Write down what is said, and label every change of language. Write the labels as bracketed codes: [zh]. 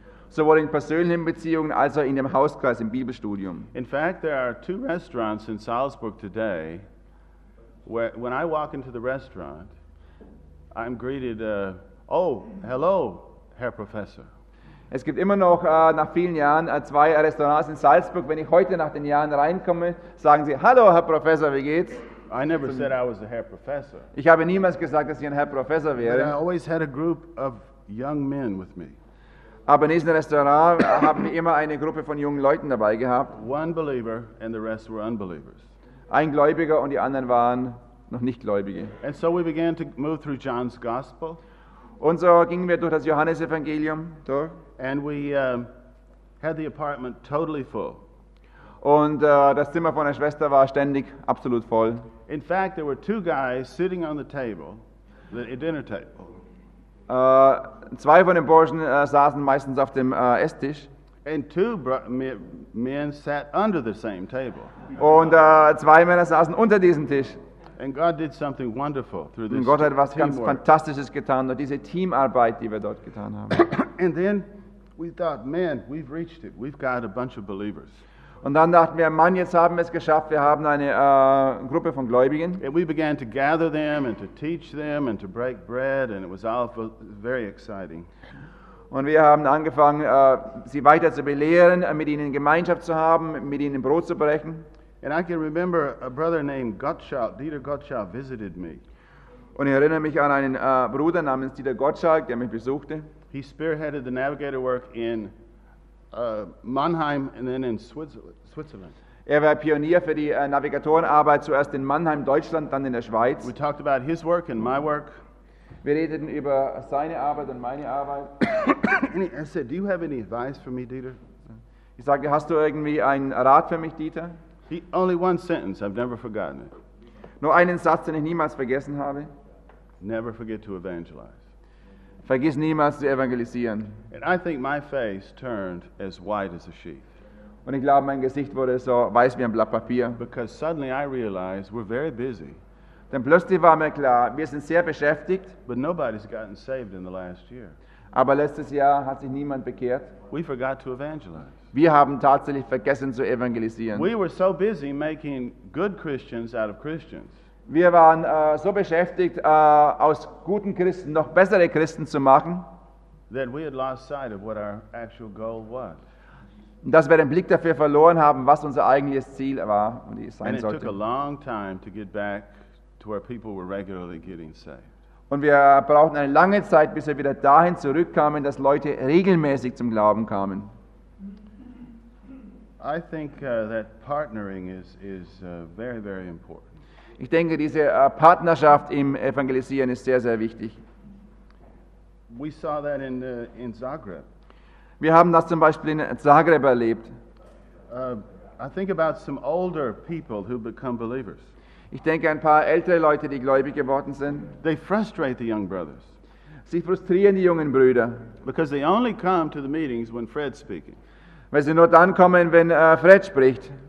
[de] Sowohl in persönlichen Beziehungen als auch in dem Hauskreis im Bibelstudium. [en] In fact, there are two restaurants in Salzburg today, where when I walk into the restaurant, I'm greeted, oh, hello, Herr Professor. [de] Es gibt immer noch nach vielen Jahren zwei Restaurants in Salzburg. Wenn ich heute nach den Jahren reinkomme, sagen sie, hallo, Herr Professor, wie geht's? [en] I never said I was a Herr Professor. [de] Ich habe niemals gesagt, dass ich ein Herr Professor wäre. [en] But I always had a group of young men with me. [de] Aber in diesem Restaurant haben wir immer eine Gruppe von jungen Leuten dabei gehabt. [en] One believer and the rest were unbelievers. [de] Ein Gläubiger und die anderen waren noch nicht Gläubige. [en] And so we began to move through John's Gospel. [de] Und so gingen wir durch das Johannesevangelium durch. [en] And we had the apartment totally full. [de] Und das Zimmer von der Schwester war ständig absolut voll. [en] In fact, there were two guys sitting on the table, the dinner table. [de] Zwei von den Burschen saßen meistens auf dem Esstisch. [en] And two men sat under the same table. [de] Und zwei Männer saßen unter diesem Tisch. [en] And God did something wonderful through this. [de] Und Gott hat was ganz Fantastisches getan durch diese Teamarbeit, die wir dort getan haben. [en] And then we thought, man, we've reached it. We've got a bunch of believers. [de] Und dann dachten wir, Mann, jetzt haben wir es geschafft. Wir haben eine Gruppe von Gläubigen. [en] And we began to gather them and to teach them and to break bread, and it was all very exciting. [de] Und wir haben angefangen, sie weiter zu belehren, mit ihnen Gemeinschaft zu haben, mit ihnen Brot zu brechen. [en] And I can remember a brother named Gottschalk, Dieter Gottschalk, visited me. [de] Und ich erinnere mich an einen Bruder namens Dieter Gottschalk, der mich besuchte. [en] He spearheaded the navigator work in Mannheim and then in Switzerland. [de] Er war Pionier für die Navigatorenarbeit, zuerst in Mannheim, Deutschland, dann in der Schweiz. [en] We talked about his work and my work. [de] Wir redeten über seine Arbeit und meine Arbeit. [en] And he, I said, do you have any advice for me, Dieter? [de] Ich sagte, hast du irgendwie einen Rat für mich, Dieter? [en] He, only one sentence, I've never forgotten it. [de] Nur einen Satz, den ich niemals vergessen habe. [en] Never forget to evangelize. [de] Vergiss niemals zu evangelisieren. [en] And I think my face turned as white as a sheet. [de] Und ich glaube, mein Gesicht wurde so weiß wie ein Blatt Papier. [en] Because suddenly I realized we're very busy. [de] Denn plötzlich war mir klar, wir sind sehr beschäftigt. [en] But nobody's gotten saved in the last year. [de] Aber letztes Jahr hat sich niemand bekehrt. [en] We forgot to evangelize. [de] Wir haben tatsächlich vergessen zu evangelisieren. [en] We were so busy making good Christians out of Christians. [de] Wir waren so beschäftigt, aus guten Christen noch bessere Christen zu machen. [en] That we had lost sight of what our actual goal was. [de] Dass wir den Blick dafür verloren haben, was unser eigentliches Ziel war und sein sollte. [en] And it took a long time to get back to where people were regularly getting saved. [de] Und wir brauchten eine lange Zeit, bis wir wieder dahin zurückkamen, dass Leute regelmäßig zum Glauben kamen. [en] I think that partnering is very, very important. [de] Ich denke, diese Partnerschaft im Evangelisieren ist sehr, sehr wichtig. [en] We saw that in Zagreb. [de] Wir haben das zum Beispiel in Zagreb erlebt. [en] I think about some older people who become believers. [de] Ich denke ein paar ältere Leute, die gläubig geworden sind. [en] They frustrate the young brothers. [de] Sie frustrieren die jungen Brüder. [en] Because they only come to the meetings when Fred's speaking. [de] Weil sie nur dann kommen, wenn Fred spricht.